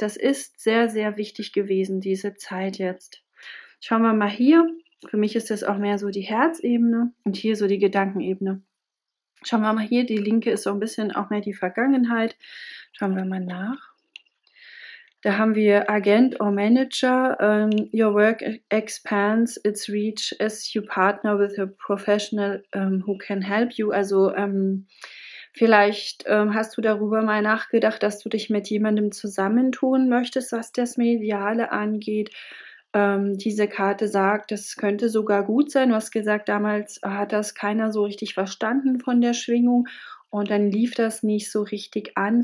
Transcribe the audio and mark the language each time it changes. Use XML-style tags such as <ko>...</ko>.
<de>Das ist sehr, sehr wichtig gewesen, diese Zeit jetzt. Schauen wir mal hier. Für mich ist das auch mehr so die Herzebene und hier so die Gedankenebene. Schauen wir mal hier, die linke ist so ein bisschen auch mehr die Vergangenheit. Schauen wir mal nach. Da haben wir Agent or Manager.</de> <en>Your work expands its reach as you partner with a professional who can help you.</en> <de>Also vielleicht hast du darüber mal nachgedacht, dass du dich mit jemandem zusammentun möchtest, was das Mediale angeht. Diese Karte sagt, das könnte sogar gut sein. Du hast gesagt, damals hat das keiner so richtig verstanden von der Schwingung und dann lief das nicht so richtig an.</de>